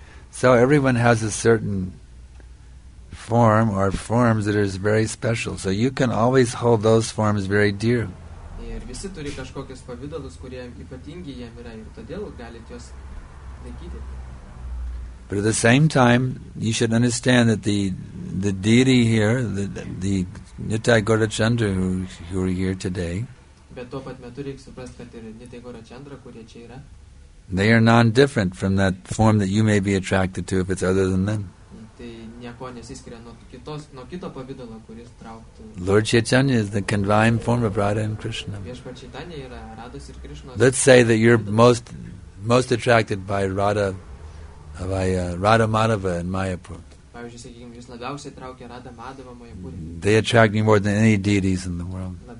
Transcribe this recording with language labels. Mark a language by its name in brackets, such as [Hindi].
[English] So everyone has a certain form or forms that are very special. So you can always hold those forms very dear. [Lithuanian] Ir visi turi kažkokius pavidalus, kurie ypatingi jam yra, ir todėl galite juos laikyti. [English] But at the same time, you should understand that the deity here, the Nitai Gaurachandra who are here today, [Lithuanian] bet tuo pat metu reikia suprasti, kad ir Nitai Gaurachandra, kurie čia yra, [English] they are non-different from that form that you may be attracted to if it's other than them. [Lithuanian] Tai nieko nesiskiria nuo kito pavidalo, kuris trauktų. [English] Lord Chaitanya is the divine form of Radha and Krishna. [Lithuanian] Viešpats Chaitanya yra Radhas ir Krishnas. [English] Let's say that you're most attracted by Radha. Radha Madhava in Mayapur. They attract me more than any deities in the world.